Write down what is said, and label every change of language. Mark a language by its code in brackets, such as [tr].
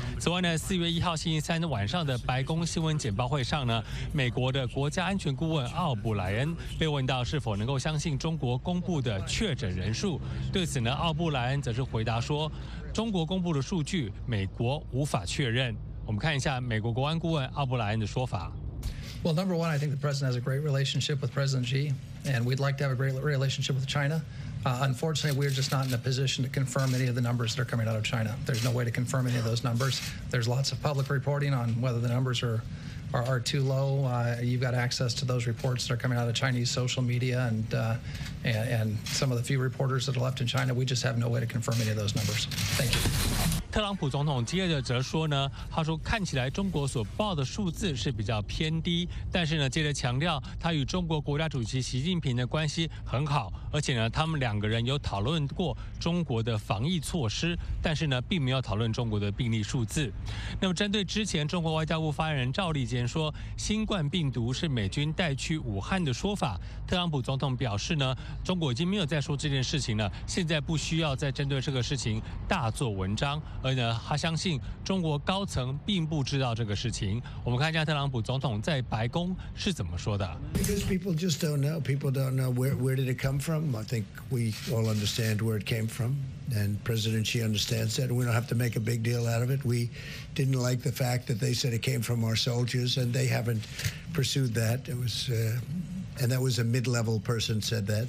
[zh] 此外呢，4月1号星期三的晚上的白宫新闻简报会上呢，美国的国家安全顾问奥布莱恩被问到是否能够相信中国公布的确诊人数，对此呢，奥布莱恩则是回答说，中国公布的数据美国无法确认。我们看一下美国国安顾问奥布莱恩的说法。 [en] Well, number one, I think the president has a great relationship with President Xi, and we'd like to have a great relationship with China. Unfortunately, we're just not in a position to confirm any of the numbers that are coming out of China. There's no way to confirm any of those numbers. There's lots of public reporting on whether the numbers are too low. You've got access to those reports that are coming out of Chinese social media and some of the few reporters that are left in China. We just have no way to confirm any of those numbers. Thank you. [zh] 特朗普总统接着则说呢，他说看起来中国所报的数字是比较偏低，但是呢，接着强调他与中国国家主席习近平的关系很好，而且呢，他们两个人有讨论过中国的防疫措施，但是呢，并没有讨论中国的病例数字。那么针对之前中国外交部发言人赵立坚说新冠病毒是美军带去武汉的说法，特朗普总统表示呢，中国已经没有再说这件事情了，现在不需要再针对这个事情大做文章。而呢，他相信中国高层并不知道这个事情。我们看一下特朗普总统在白宫是怎么说的。 [en] Because people just don't know. People don't know where did it come from. I think we all understand where it came from, and President Xi understands that. We don't have to make a big deal out of it. We didn't like the fact that they said it came from our soldiers, and they haven't pursued that. It was, and that was a mid-level person said that.